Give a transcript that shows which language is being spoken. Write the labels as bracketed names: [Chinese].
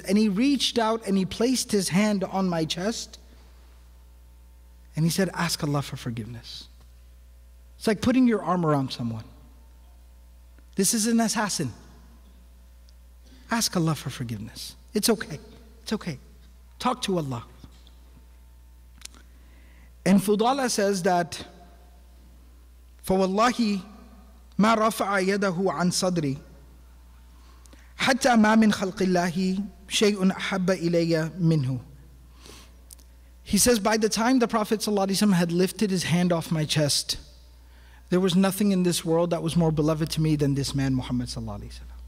[English] And he reached out and he placed his hand on my chest. And he said, "Ask Allah for forgiveness." It's like putting your arm around someone. This is an assassin. Ask Allah for forgiveness. It's okay. It's okay. Talk to Allah. And Fudala says that, [Arabic] "فَوَاللَّهِ مَا رَفَعَ يَدَهُ عَنْ صَدْرِي حَتَّى مَا مِنْ خَلْقِ اللَّهِ شَيْءٌ أَحَبَّ إِلَيَّ مِنْهُ." [English] He says, by the time the Prophet ﷺ had lifted his hand off my chest, there was nothing in this world that was more beloved to me than this man, Muhammad ﷺ.